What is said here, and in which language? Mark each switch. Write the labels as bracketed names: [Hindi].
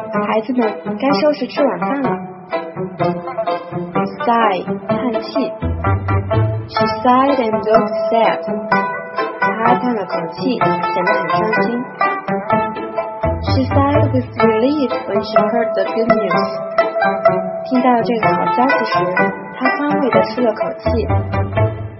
[Chinese] 孩子们，该收拾吃晚饭了。 [English] Sigh, 叹气。She sighed and looked sad. [Chinese] 她叹了口气，显得很伤心。 [English] She sighed with relief when she heard the good news. [Chinese] 听到这个好消息时，她宽慰地舒了口气。